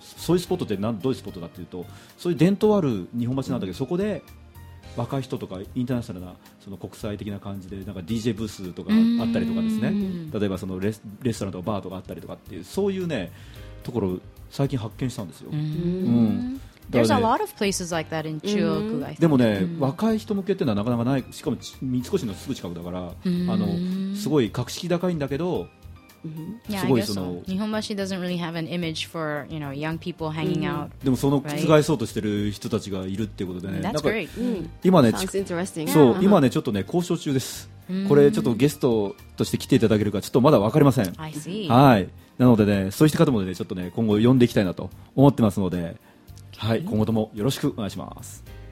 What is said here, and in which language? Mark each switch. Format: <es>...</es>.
<ja>そういうスポットってどういうスポットだっていうと、そういう伝統ある日本橋なんだけど、うん、そこで若い人とかインターナショナルなその国際的な感じでなんか DJ ブースとかあったりとかですね、例えばそのレストランとかバーとかあったりとかっていう、そういうねところ最近発見したんですよ。</ja> <en>There's a lot of places like that in Chuo-oku, I think.</en> <ja>でもね、若い人向けっていうのはなかなかない。しかも三越のすぐ近くだから、あのすごい格式高いんだけど、</ja> <en>すごいその日本橋 doesn't really have an image for, you know, young people hanging out.</en> <ja>でもその覆そうとしてる人たちがいるっていうことでね。</ja> <en>That's great.</en> <ja>今ね、</ja> <en>sounds interesting.</en> <ja>そう、今ねちょっとね交渉中です。これちょっとゲストとして来ていただけるかちょっとまだ分かりません。</ja> <en>I see.</en> <ja>はい。なのでね、そういう方もねちょっとね今後呼んでいきたいなと思ってますので、はい、今後ともよろしくお願いします。</ja>